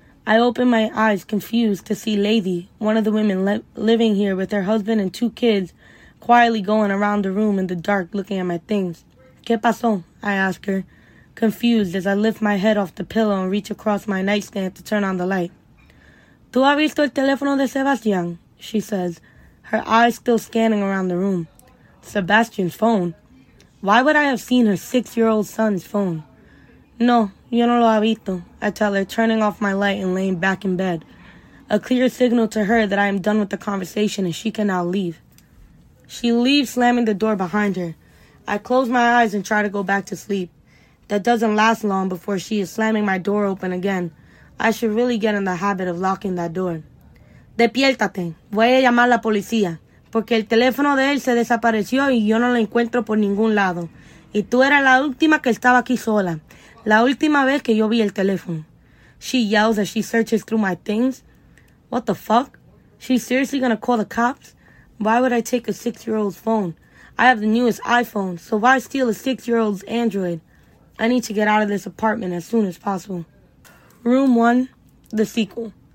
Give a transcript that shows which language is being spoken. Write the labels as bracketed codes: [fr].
[en] I open my eyes, confused, to see Lady, one of the women living here with her husband and 2 kids, quietly going around the room in the dark looking at my things. [es] ¿Qué pasó? [en] I ask her, confused as I lift my head off the pillow and reach across my nightstand to turn on the light. [es] ¿Tú has visto el teléfono de Sebastián? [en] She says, her eyes still scanning around the room. [es] Sebastián's phone? [en] Why would I have seen her 6-year-old son's phone? [es] No, yo no lo ha visto, [en] I tell her, turning off my light and laying back in bed. A clear signal to her that I am done with the conversation and she can now leave. She leaves, slamming the door behind her. I close my eyes and try to go back to sleep. That doesn't last long before she is slamming my door open again. I should really get in the habit of locking that door. [es] Despiértate. Voy a llamar a la policía. Porque el teléfono de él se desapareció y yo no lo encuentro por ningún lado. Y tú eras la última que estaba aquí sola. La última vez que yo vi el teléfono. [en] She yells as she searches through my things. What the fuck? She's seriously gonna call the cops? Why would I take a 6-year-old's phone? I have the newest iPhone, so why steal a 6-year-old's Android? I need to get out of this apartment as soon as possible. Room 1, the sequel.